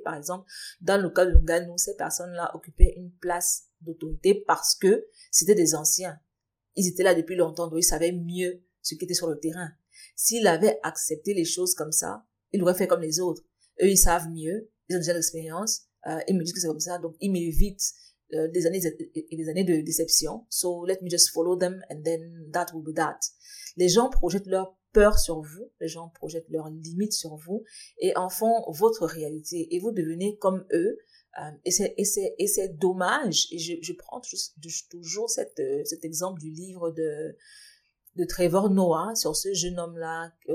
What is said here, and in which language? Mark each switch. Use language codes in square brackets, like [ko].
[fr] Par exemple, dans le cas de Nganou, ces personnes-là occupaient une place d'autorité parce que c'était des anciens. Ils étaient là depuis longtemps, donc ils savaient mieux ce qui était sur le terrain. S'il avait accepté les choses comme ça, il aurait fait comme les autres. Eux, ils savent mieux, ils ont déjà l'expérience, ils me disent que c'est comme ça, donc ils m'évitent des années et des années de déception. [en] So, let me just follow them and then that will be that. [fr] Les gens projettent leur peur sur vous, les gens projettent leurs limites sur vous et en font votre réalité et vous devenez comme eux et c'est dommage et je prends toujours cet exemple du livre de Trevor Noah sur ce jeune homme là